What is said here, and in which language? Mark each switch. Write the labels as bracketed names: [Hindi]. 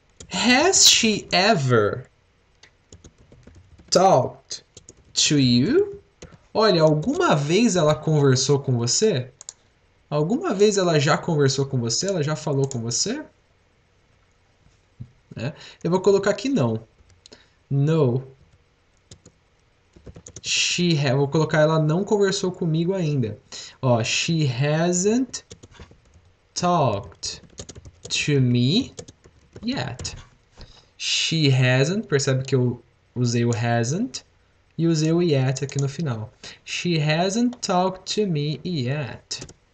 [English] Has she ever talked to you? [Portuguese] Olha, alguma vez ela conversou com você? Alguma vez ela já conversou com você? Ela já falou com você? Né? Eu vou colocar aqui não. [English] No. She ha [Portuguese] Vou colocar ela não conversou comigo ainda. [English] Ó, she hasn't talked to me yet. She hasn't, [Portuguese] percebe que eu usei o hasn't e usei o yet aqui no final. [English] She hasn't talked to me yet.